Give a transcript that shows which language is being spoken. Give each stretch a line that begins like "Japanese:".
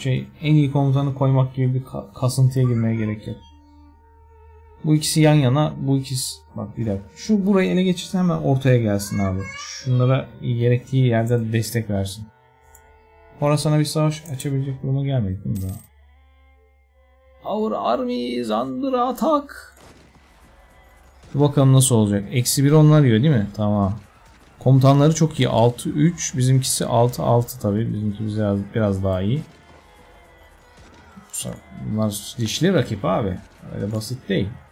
Turkish: Şey, en iyi komutanı koymak gibi bir kasıntıya girmeye gerek yok. Bu ikisi yan yana, bu ikisi... Bak bir dakika. Şu burayı ele geçirse hemen ortaya gelsin abi. Şunlara gerektiği yerde destek versin. Horasan'a bir savaş açabilecek duruma gelmedik değil mi daha?
English: Our army is under attack.
Turkish: Şu bakalım nasıl olacak. -1 onlar yiyor değil mi? Tamam. Komutanları çok iyi. 6-3. Bizimkisi 6-6 tabii. Bizimki biraz daha iyi. Bunlar dişli rakip abi. Öyle basit değil.